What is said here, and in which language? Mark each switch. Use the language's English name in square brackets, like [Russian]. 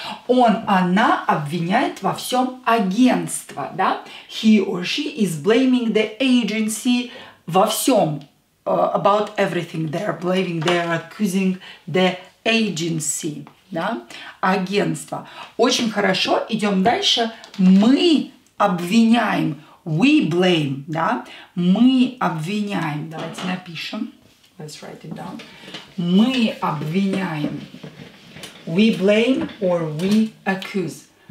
[Russian] Он, она обвиняет во всем агентство, да. [English] He or she is blaming the agency [Russian] во всем. [English] About everything. They are blaming, they are accusing the agency, да. [Russian] Агентство. Очень хорошо, идем дальше. Мы обвиняем. [English] We blame, [Russian] да. Мы обвиняем. Давайте напишем. [English] Let's write it down. [Russian] Мы обвиняем. [English] We blame or we accuse.